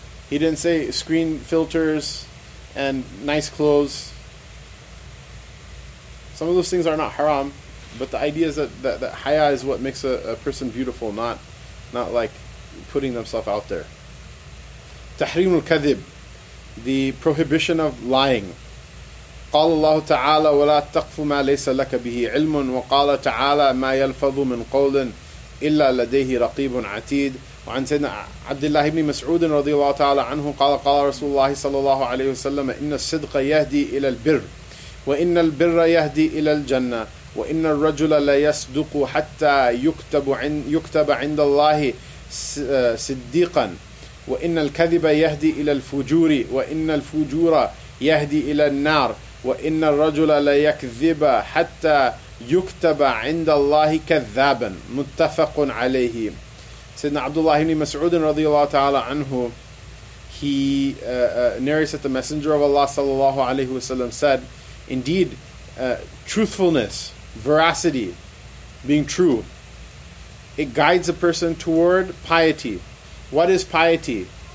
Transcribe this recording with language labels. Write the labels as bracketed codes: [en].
[en] He didn't say screen filters and nice clothes. Some of those things are not haram, but the idea is that haya is what makes a person beautiful, not like putting themselves out there. Tahrim al-kadhib, the prohibition of lying. [ar] قال الله تعالى ولا تقف ما ليس لك به علم وقال تعالى ما يلفظ من قول إلا لديه رقيب عتيد وعن سيدنا عبد الله بن مسعود رضي الله تعالى عنه قال قال رسول الله صلى الله عليه وسلم إن الصدق يهدي إلى البر وإن البر يهدي إلى الجنة وإن الرجل لا يصدق حتى يكتب عند الله صديقا وإن الكذب يهدي إلى الفجور وإن الفجور يهدي إلى النار وَإِنَّ الرَّجُلَ لَيَكْذِبَ حَتَّى يُكْتَبَ عِنْدَ اللَّهِ كَذَّابًا مُتَّفَقٌ عَلَيْهِ. [en] Sayyidina Abdullah ibn Mas'ud [ar] رضي الله تعالى عنه, [en] he narrates that the Messenger of Allah [ar] صلى الله عليه وسلم [en] said, indeed, truthfulness, veracity, being true, it guides a person toward piety. What is piety?